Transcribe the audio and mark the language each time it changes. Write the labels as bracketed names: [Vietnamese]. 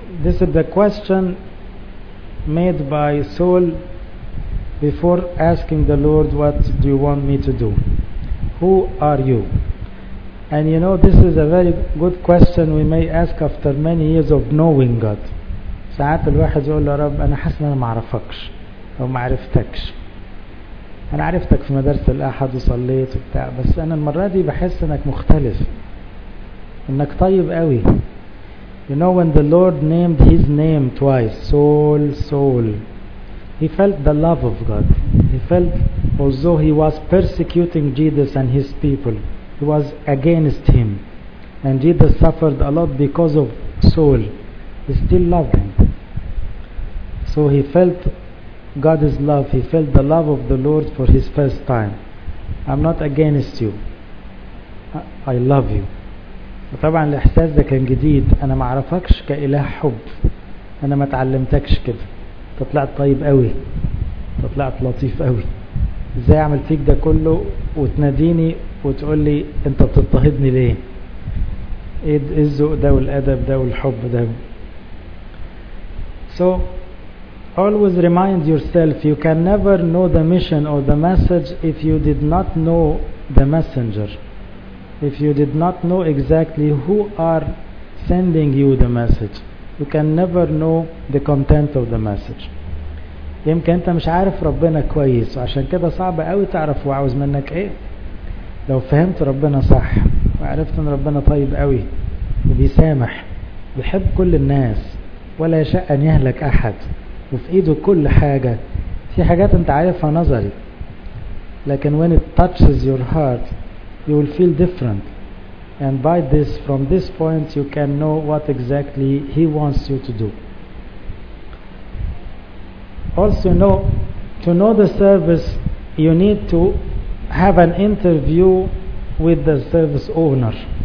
[English] This is the question made by Saul before asking the Lord, what do you want me to do? Who are you? And you know, this is a very good question we may ask after many years of knowing God. [Arabic] ساعات الواحد يقول له رب أنا حاسس أنا ما عرفكش أو ما عرفتكش. أنا عرفتك في مدرسة الأحد وصليت وبتاع، بس أنا المرة دي بحس أنك مختلف، أنك طيب قوي. [English] You know, when the Lord named his name twice, Saul, Saul, he felt the love of God. He felt as though he was persecuting Jesus and his people. He was against him. And Jesus suffered a lot because of Saul. He still loved him. So he felt God's love. He felt the love of the Lord for his first time. I'm not against you. I love you. [Arabic] طبعا الاحساس ده كان جديد، انا ما اعرفكش كاله حب، انا ما تعلمتكش كده، تطلعت طيب قوي، تطلعت لطيف قوي، ازاي اعمل فيك ده كله وتناديني وتقول لي انت بتضطهدني ليه؟ ايه الذوق ده والادب ده والحب ده؟ [English] So always remind yourself you can never know the mission or the message if you did not know the messenger. If you did not know exactly who are sending you the message, you can never know the content of the message. [Arabic] يمكن انت مش عارف ربنا كويس وعشان كده صعب قوي تعرف وعاوز منك ايه. لو فهمت ربنا صح وعرفت ان ربنا طيب قوي وبيسامح بيحب كل الناس ولا يشاء ان يهلك احد وفي ايده كل حاجة، في حاجات انت عارفها نظري، لكن [English] when it touches your heart you will feel different. And by this, from this point, you can know what exactly he wants you to do. Also know, to know the service, you need to have an interview with the service owner.